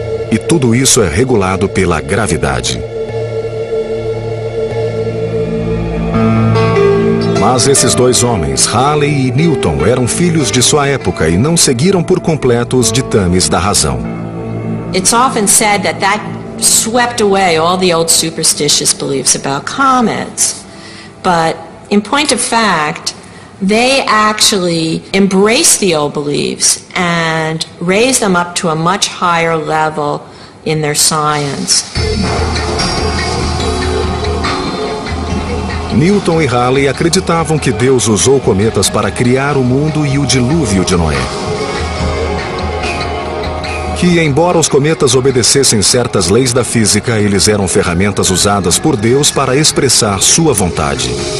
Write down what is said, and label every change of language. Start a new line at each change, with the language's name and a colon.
Portuguese: E tudo isso é regulado pela gravidade. Mas esses dois homens, Halley e Newton, eram filhos de sua época e não seguiram por completo os ditames da razão.
English: It's often said that that swept away all the old superstitious beliefs about comets. But in point of fact, they actually embraced the old beliefs and raised them up to a much higher level in their science.
Portuguese: Newton e Halley acreditavam que Deus usou cometas para criar o mundo e o dilúvio de Noé. Que, embora os cometas obedecessem certas leis da física, eles eram ferramentas usadas por Deus para expressar sua vontade.